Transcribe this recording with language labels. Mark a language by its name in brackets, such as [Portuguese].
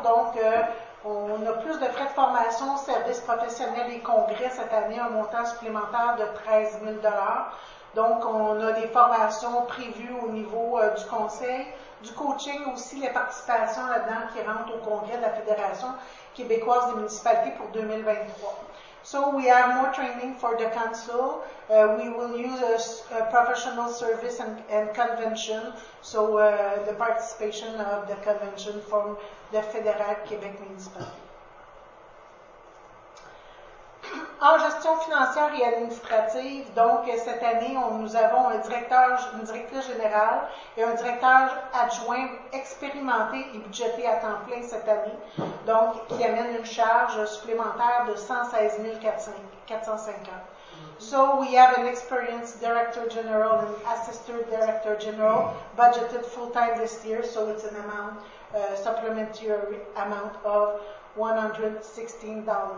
[French] Donc, on a plus de frais de formation, services professionnels et congrès cette année, un montant supplémentaire de 13 000 Donc, on a des formations prévues au niveau du conseil, du coaching aussi, les participations là-dedans qui rentrent au congrès de la Fédération québécoise des municipalités pour 2023. [English] So, we have more training for the council. We will use a professional service and convention. So, the participation of the convention from the Fédéral Québec municipalité. [French] En gestion financière et administrative, donc cette année, nous avons un directeur, une directrice générale et un directeur adjoint expérimenté et budgété à temps plein cette année, donc qui amène une charge supplémentaire de 116 450. [English] So we have an experienced director general and assistant director general budgeted full time this year, so it's an amount, supplementary amount of $116,000.